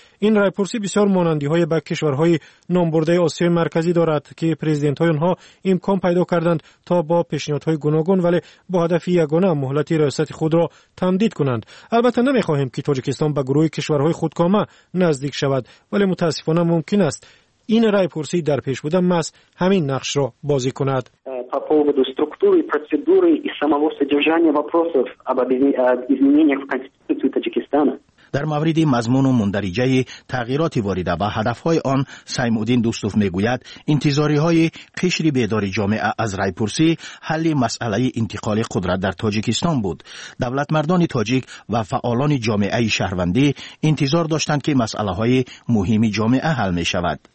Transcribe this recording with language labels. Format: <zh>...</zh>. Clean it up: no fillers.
<fa>این رای پرسی بسیار مانندی های به کشورهای نامبرده آسیای مرکزی دارد که پرزیدنت های آنها امکان پیدا کردند تا با پیشنهادهای گوناگون ولی با هدف یگانه مهلت ریاست خود را تمدید کنند. البته نمیخواهیم که تاجیکستان به گروه کشورهای خودکامه نزدیک شود، ولی متاسفانه ممکن است این رای پرسی در پیش بوده مس همین نقش را بازی کند.</fa> <ru>структуры, процедуры и самого содержания вопросов об изменениях в Конституции Таджикистана.</ru> <fa>در مورد مضمون و مندرجه‌ی تغییرات وارده به هدف‌های آن، سیمودین دوستوف می‌گوید انتظاری‌های قشر بیدار جامعه از رای‌پرسی حل مسئله انتقال قدرت در تاجیکستان بود. دولت مردان تاجیک و فعالان جامعه شهروندی انتظار داشتند که مسئله‌های مهم جامعه حل می‌شود.</fa>